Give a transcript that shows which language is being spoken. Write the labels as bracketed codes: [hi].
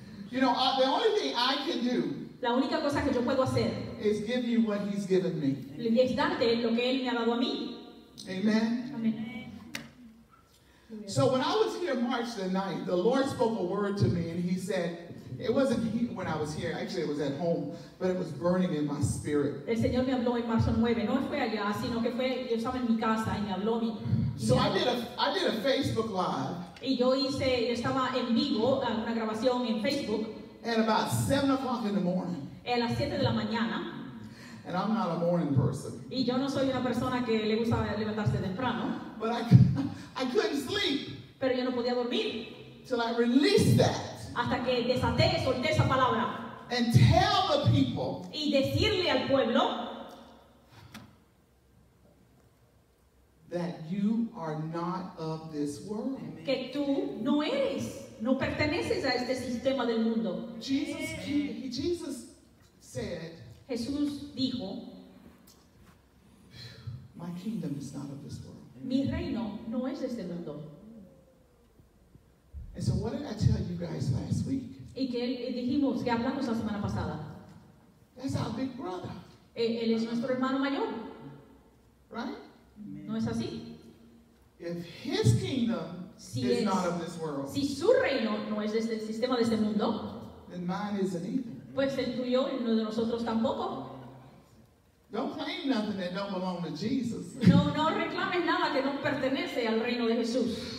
[en] You know, the only thing I can do, [es] la única cosa que yo puedo hacer, [en] is give you what he's given me. [es] Es darte lo que él me ha dado a mí. [en] Amen. So when I was here March the 9th, the Lord spoke a word to me, and he said, it wasn't here when I was here, actually it was at home, but it was burning in my spirit. [es] El Señor me habló en marzo 9, no fue allá, sino que fue, yo estaba en mi casa y me habló mi. [en] So I did a Facebook Live. [es] Y yo hice, yo estaba en vivo, una grabación en Facebook. [en] At about 7 o'clock in the morning. [es] A las 7 de la mañana. [en] And I'm not a morning person. [es] Y yo no soy una persona que le gusta levantarse temprano. [en] But I couldn't sleep. [es] Pero yo no podía dormir. [en] Till I released that. [es] Hasta que desaté, solté esa palabra. [en] And tell the people. [es] Y decirle al pueblo. [en] That you are not of this world. [es] Que tú no eres. No perteneces a este sistema del mundo. [en] Jesus said. [es] Jesús dijo, [en] my kingdom is not of this world. [es] Mi reino no es de este mundo. [en] And so what did I tell you guys last week? [es] Y que dijimos, que hablamos la semana pasada. [en] That's our big brother. [es] Él es nuestro hermano mayor. [en] Right? [es] No es así. [en] If his kingdom is not of this world, [es] si su reino no es de este sistema de este mundo, [en] then mine isn't either. [es] Pues el tuyo y uno de nosotros tampoco. [en] Don't claim nothing that don't belong to Jesus. [es] No, no reclames nada que no pertenece al reino de Jesús.